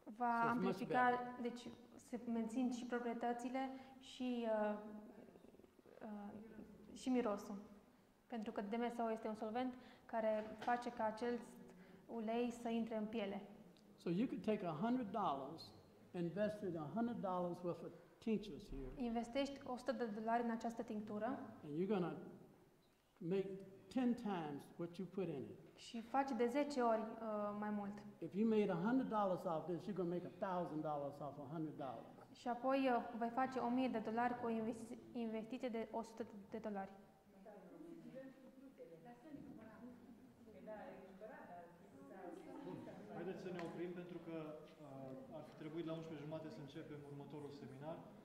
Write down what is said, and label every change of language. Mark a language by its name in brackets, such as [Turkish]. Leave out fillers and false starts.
[Romanian] Va so amplifica, deci se mențin și proprietățile și și mirosul. Pentru că DMSO este un solvent care face ca acel ulei să intre în piele. [English] So you could take $100, invested $100 worth of tinctures here. [Romanian] Investești $100 în această tinctură. [English] And you're going to make 10 times what you put in it. [Romanian] Și faci de 10 ori mai mult. [English] If you made $100 off this, you're going to make $1,000 off $100. [Romanian] Și apoi vei face $1,000 cu investiție de $100. Haideți să ne oprim pentru că ar fi trebuit la 11:30 să începem următorul seminar.